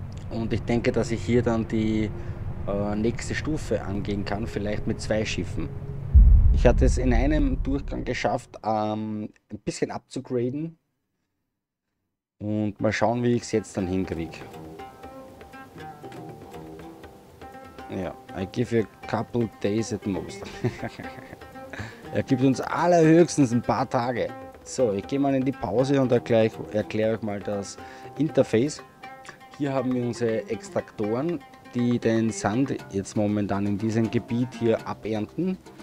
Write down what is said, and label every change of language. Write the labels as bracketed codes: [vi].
[de] Und ich denke, dass ich hier dann die nächste Stufe angehen kann, vielleicht mit 2 Schiffen. Ich hatte es in einem Durchgang geschafft, ein bisschen abzugraden. Und mal schauen, wie ich es jetzt dann hinkriege. [en] Ja, I give you a couple days at most. [de] Er gibt uns allerhöchstens ein paar Tage. So, ich gehe mal in die Pause und erkläre euch mal das Interface. Hier haben wir unsere Extraktoren, die den Sand jetzt momentan in diesem Gebiet hier abernten.